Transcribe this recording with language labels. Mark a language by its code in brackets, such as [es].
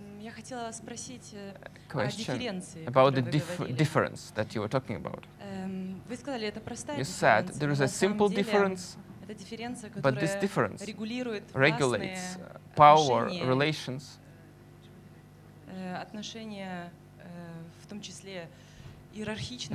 [ru] Я хотела вас спросить о дифференции, [en] about the difference that you were talking about. [ru] Вы сказали, это простая дифференция. [en] You said there is a simple difference. [ru] Это дифференция, которая [en] but this difference [ru] регулирует [en] regulates power relations. [ru] Отношения, в том числе иерархично